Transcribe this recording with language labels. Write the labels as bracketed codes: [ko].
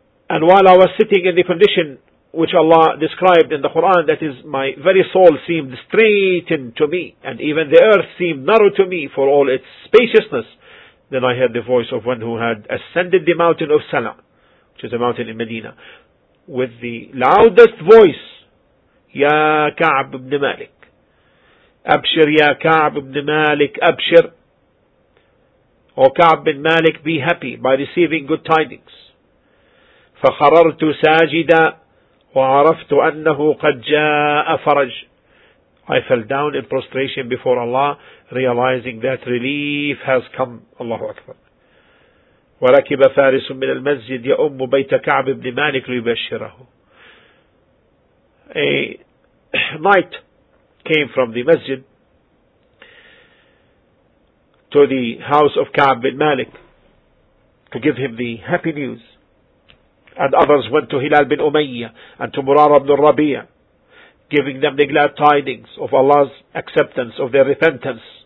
[en] And while I was sitting in the condition which Allah described in the Quran, that is, my very soul seemed straightened to me, and even the earth seemed narrow to me for all its spaciousness, then I heard the voice of one who had ascended the mountain of Sala, which is a mountain in Medina, with the loudest voice, [ar] يا كعب بن مالك أبشر يا كعب بن مالك أبشر. أو [en] كعب بن مالك be happy by receiving good tidings. [ar] فخررت ساجدا وعرفت أنه قد جاء فرج. [en] I fell down in prostration before Allah, realizing that relief has come. Allahu Akbar. [ar] وركب فارس من المسجد يأم بيت كعب بن مالك ليبشره. [en] A knight came from the masjid to the house of Ka'b bin Malik to give him the happy news. And others went to Hilal bin Umayyah and to Murara bin Rabi'a, giving them the glad tidings of Allah's acceptance of their repentance.